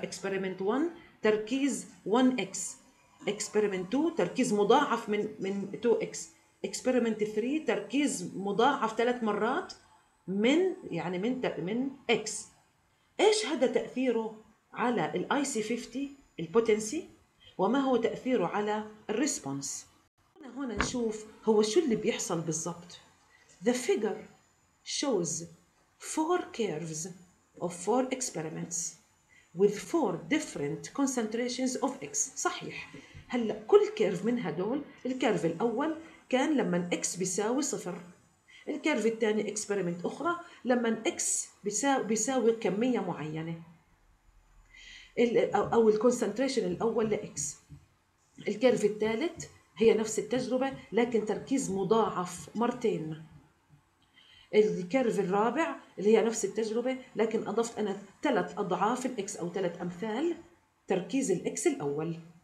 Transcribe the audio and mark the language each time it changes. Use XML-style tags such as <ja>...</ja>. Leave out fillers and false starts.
<ar>Experiment 1 تركيز 1X، Experiment 2 تركيز مضاعف من 2X، Experiment 3 تركيز مضاعف ثلاث مرات من يعني من X. إيش هذا تأثيره على الـ IC50 البوتنسي وما هو تأثيره على الريسبونس؟ هنا نشوف هو شو اللي بيحصل بالضبط.</ar> <en>The figure shows four curves of four experiments with four different concentrations of X.</en> <ar>صحيح، هلأ كل كيرف من هدول، الكيرف الأول كان لما X بيساوي صفر، الكيرف الثاني اكسبيرمنت اخرى لما اكس بيساوي كميه معينه او الكونسنتريشن الاول لاكس، الكيرف الثالث هي نفس التجربه لكن تركيز مضاعف مرتين، الكيرف الرابع اللي هي نفس التجربه لكن اضفت انا ثلاث اضعاف الاكس او ثلاث امثال تركيز الاكس الاول.</ar>